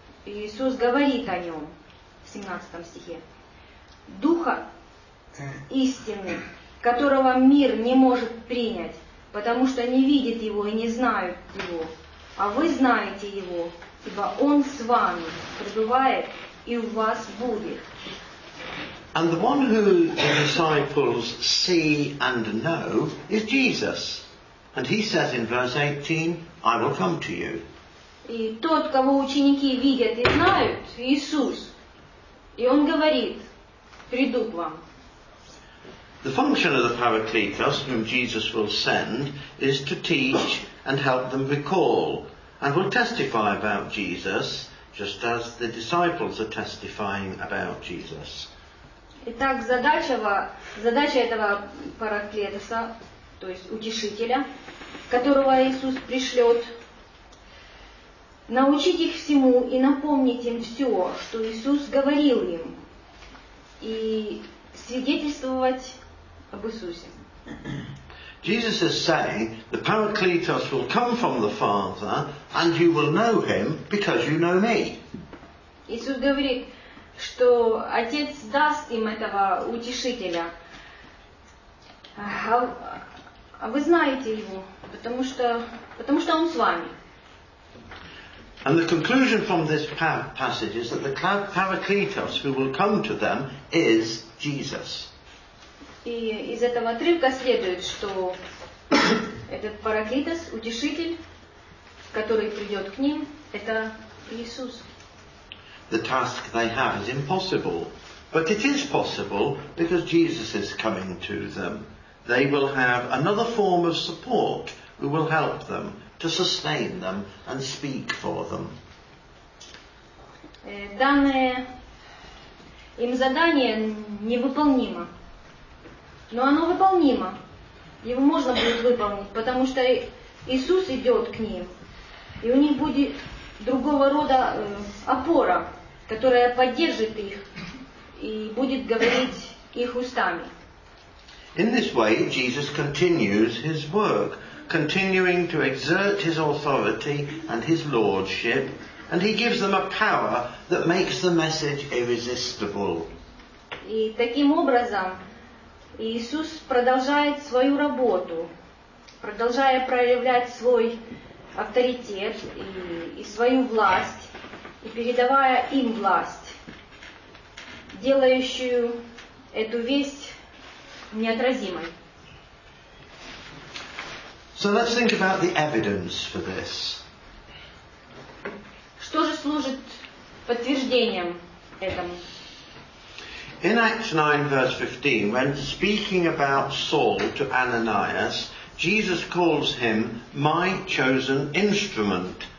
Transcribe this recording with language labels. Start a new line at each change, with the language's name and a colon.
Russian: Иисус говорит о нем в 17 стихе. Духа истины, которого мир не может принять, потому что не видит его и не знает его. А вы знаете его, ибо он с вами пребывает и у вас будет.
English: And the one who the disciples see and know is Jesus. And he says in verse 18, I will come to you.
Russian: И тот, кого ученики видят и знают, Иисус. И он говорит, приду к вам.
English: The function of the Paracletos, whom Jesus will send, is to teach and help them recall, and will testify about Jesus, just as the disciples are testifying about Jesus.
Russian: Итак, задача этого Параклетоса, то есть утешителя, которого Иисус пришлет, научить их всему и напомнить им все, что Иисус говорил им, и свидетельствовать об Иисусе.
English: Jesus is saying, the Paracletos will come from the Father, and you will know him, because you know me.
Russian: Иисус говорит, что Отец даст им этого утешителя. А вы знаете его, потому что он с вами.
English: And the conclusion from this passage is that the Paracletos who will come to them is Jesus.
Russian: И из этого отрывка следует, что этот Параклитос, утешитель, который придет к ним, это Иисус.
English: The task they have is impossible, but it is possible because Jesus is coming to them. They will have another form of support who will help them to sustain them and speak for them.
Russian: Данное им задание невыполнимо, но оно выполнимо. Его можно будет выполнить, потому что Иисус идет к ним, и у них будет другого рода опора, которая поддержит их и будет говорить их устами.
English: In this way, Jesus continues his work, continuing to exert his authority and his lordship, and he gives them a power that makes the message irresistible.
Russian: И таким образом Иисус продолжает свою работу, продолжая проявлять свой авторитет и свою власть, и передавая им власть, делающую эту весть неотразимой.
English: So let's think about the evidence for this.
Russian: Что же служит подтверждением этому?
English: In Acts 9, verse 15, when speaking about Saul to Ananias, Jesus calls him my chosen instrument.